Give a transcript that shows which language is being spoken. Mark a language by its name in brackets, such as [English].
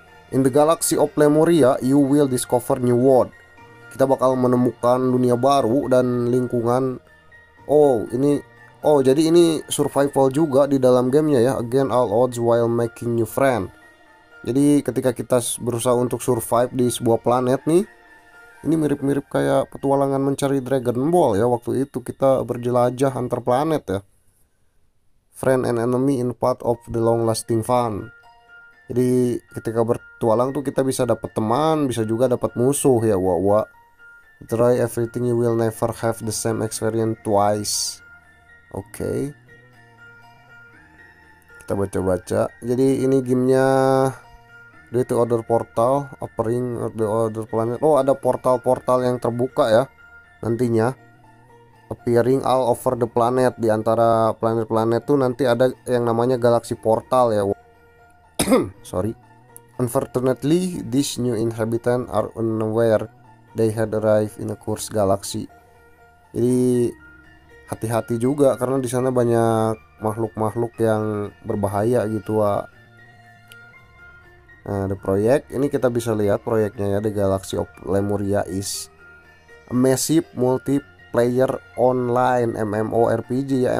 [English] In the galaxy of Lemuria, you will discover new world. [Indonesian] Kita bakal menemukan dunia baru dan lingkungan. Oh, jadi ini survival juga di dalam gamenya ya. [English] Again all odds while making new friend. [Indonesian] Jadi ketika kita berusaha untuk survive di sebuah planet nih, ini mirip-mirip kayak petualangan mencari Dragon Ball ya. Waktu itu kita berjelajah antar planet ya. [English] Friend and enemy in part of the long lasting fun. [Indonesian] Jadi ketika bertualang tuh kita bisa dapat teman, bisa juga dapat musuh ya, wa-wa. [English] Try everything, you will never have the same experience twice. [Indonesian] Oke, kita baca-baca. Jadi ini gamenya [English] due to other portal appearing on the other planet. [Indonesian] Oh, ada portal-portal yang terbuka ya nantinya, [English] appearing all over the planet. [Indonesian] Di antara planet-planet tuh nanti ada yang namanya galaxy portal ya. Sorry. [English] Unfortunately, these new inhabitants are unaware they had arrived in a cursed galaxy. [Indonesian] Jadi hati-hati juga karena di sana banyak makhluk-makhluk yang berbahaya gitu, wa. Nah, the project ini kita bisa lihat proyeknya ya. [English] The Galaxy of Lemuria is a massive multiplayer online MMORPG ya.